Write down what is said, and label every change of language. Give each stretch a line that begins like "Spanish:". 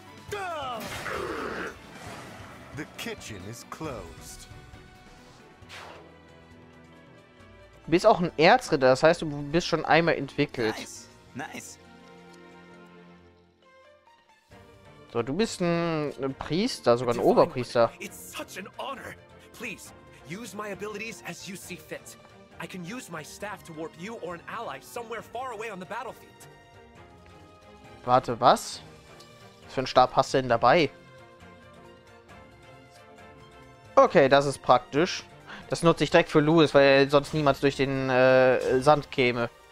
English: The kitchen is closed.
German: Du bist auch ein Erzritter, das heißt, du bist schon einmal entwickelt.
English: Nice.
German: So, du bist ein Priester, sogar ein Oberpriester.
English: It's such an honor. Please, use my abilities as you see fit. I can use my staff to warp you or an ally somewhere far away on the battlefield.
German: Warte, was? Was für ein Stab hast du denn dabei? Okay, das ist praktisch. Das nutze ich direkt für Louis, weil er sonst niemals durch den Sand käme.